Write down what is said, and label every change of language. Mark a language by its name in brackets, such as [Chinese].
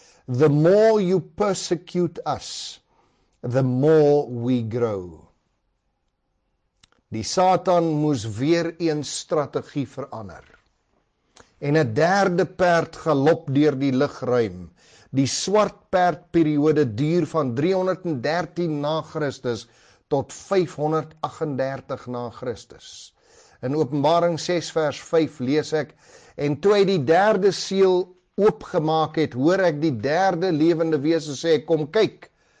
[English] The more you persecute us, the more we grow." [Afrikaans] Die Satan moes weer een strategie verander. En 'n derde perd galop deur die lugruim. Die swart perd periode duur van 313 na Christus tot 538 na Christus. In Openbaring 6 vers 5 lees ek: "En toe hy die derde seël oopgemaak het, hoor ek die derde lewende wese sê, kom kyk.